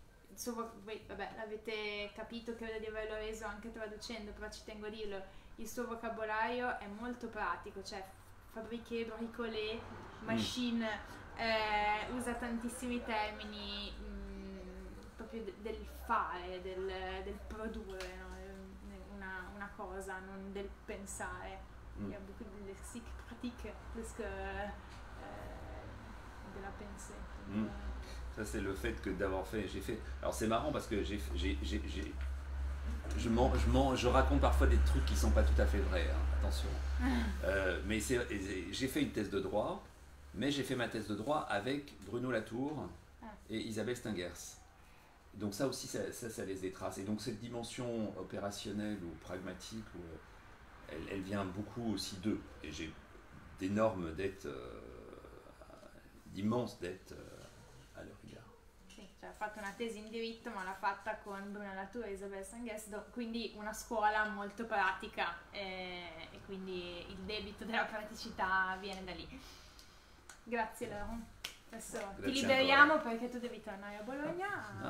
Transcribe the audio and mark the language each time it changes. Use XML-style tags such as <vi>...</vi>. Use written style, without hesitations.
<it>Insomma, vabbè, l'avete capito, credo di averlo reso anche traducendo, però ci tengo a dirlo, il suo vocabolario è molto pratico, cioè fabbriquer, bricoler, machine, usa tantissimi termini proprio del fare, del produrre, no? una cosa, non del pensare.</it> <fr>Il y a beaucoup de lexique pratique plus que de la pensée. Ça, c'est le fait que d'avoir fait, j'ai fait. Alors c'est marrant parce que je raconte parfois des trucs qui sont pas tout à fait vrais, hein, attention. mais j'ai fait une thèse de droit Mais j'ai fait ma thèse de droit avec Bruno Latour et Isabelle Stengers. Donc ça aussi, ça laisse des traces. Et donc cette dimension opérationnelle ou pragmatique, ou, elle vient beaucoup aussi d'eux. Et j'ai d'énormes dettes, d'immenses dettes à leur égard.</fr> <it>Cioè, ha fatto una tesi in diritto, ma l'ha fatta con Bruno Latour e Isabelle Stengers, quindi una scuola molto pratica, e quindi il debito della praticità viene da lì. Grazie, Laurent. Adesso grazie ti liberiamo ancora, perché tu devi tornare a Bologna,</it>